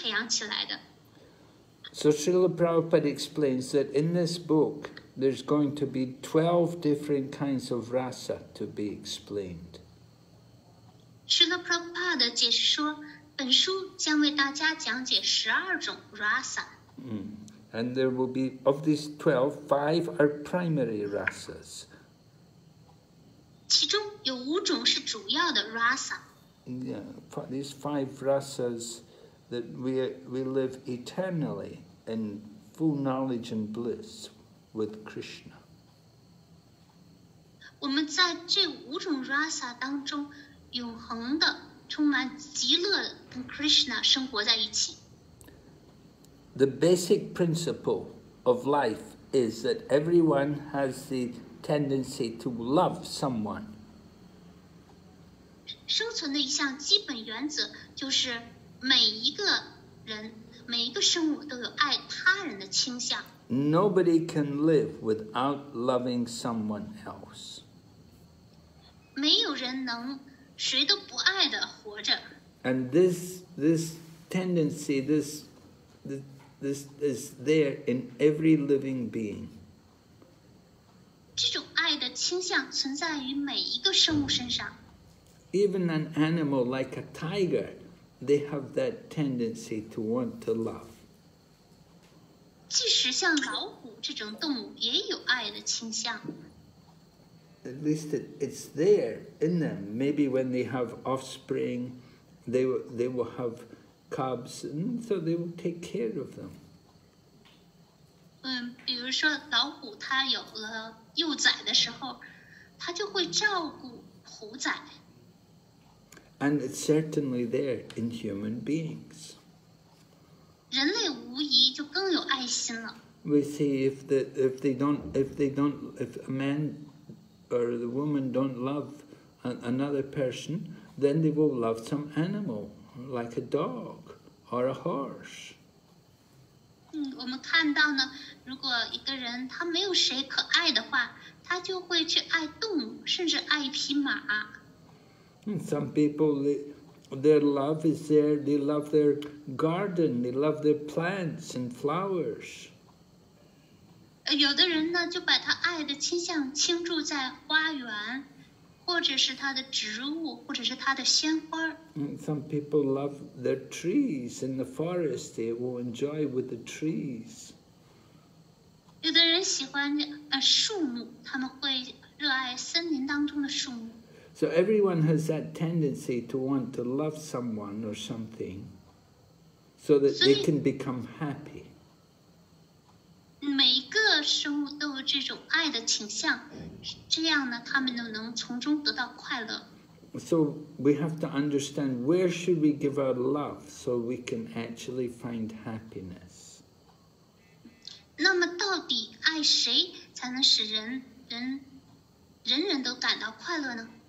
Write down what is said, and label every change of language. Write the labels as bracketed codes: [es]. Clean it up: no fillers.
[zh] 所以我们的奉爱就是这样自然而然地培养起来的。 [en] So Srila Prabhupada explains that in this book, there's going to be 12 different kinds of rasa to be explained. [zh] Srila Prabhupada 解释说，本书将为大家讲解12种 rasa. [en] And there will be, of these 12, 5 are primary rasas. [zh] 其中有5种是主要的 rasa. [en] Yeah, these 5 rasas that we live eternally in full knowledge and bliss with Krishna. [zh] 我们在这5种rasa当中 永恒的，充满极乐，跟Krishna生活在一起。 [en] The basic principle of life is that everyone has the tendency to love someone. [zh] 生存的一项基本原则就是每一个人每一个生物都有爱他人的倾向。 [en] Nobody can live without loving someone else. [zh] 没有人能谁都不爱的活着。 [en] And this tendency, this is there in every living being. [zh] 这种爱的倾向存在于每一个生物身上。 [en] Even an animal like a tiger, they have that tendency to want to love. [zh] 即使像老虎这种动物也有爱的倾向。 [en] At least it's there in them. Maybe when they have offspring, they will have cubs, and so they will take care of them. [zh] 比如说老虎它有了幼崽的时候，它就会照顾虎崽。 [en] And it's certainly there in human beings. [zh] 人类无疑就更有爱心了。 [en] We see if a man or the woman don't love another person, then they will love some animal, like a dog or a horse. [zh] 我们看到呢，如果一个人他没有谁可爱的话，他就会去爱动物，甚至爱一匹马。 [en] Some people, their love is there, they love their garden, they love their plants and flowers. [zh] 有的人呢，就把他爱的倾向倾注在花园，或者是他的植物，或者是他的鲜花。 [en] Some people love their trees in the forest, they will enjoy with the trees. [zh] 有的人喜欢树木，他们会热爱森林当中的树木。 [en] So everyone has that tendency to want to love someone or something so that they can become happy. [zh] 每个生物都有这种爱的倾向，这样呢，他们就能从中得到快乐。 [en] So we have to understand where should we give our love so we can actually find happiness. [zh] 那么到底爱谁才能使人人都感到快乐呢？